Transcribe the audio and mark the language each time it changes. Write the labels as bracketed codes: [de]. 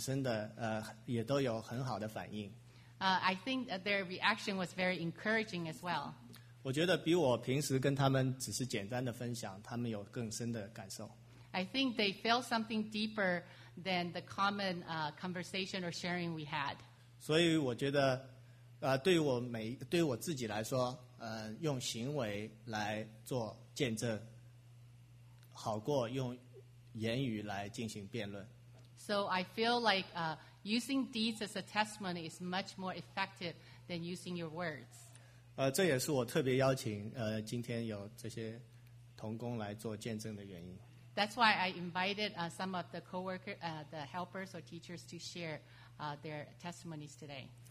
[zh] 他们听了以后，也都受到很深的，也都有很好的反应。 [en] I think their reaction was very encouraging as well. [zh] 我觉得比我平时跟他们只是简单的分享，他们有更深的感受。 [en] I think they feel something deeper than the common conversation or sharing we had. [zh] 所以我觉得，对我自己来说，用行为来做见证，好过用言语来进行辩论。 [en] So I feel like using deeds as a testimony is much more effective than using your words. [zh] 这也是我特别邀请今天有这些同工来做见证的原因。 [en] That's why I invited some of the coworker, the helpers or teachers to share their testimonies today.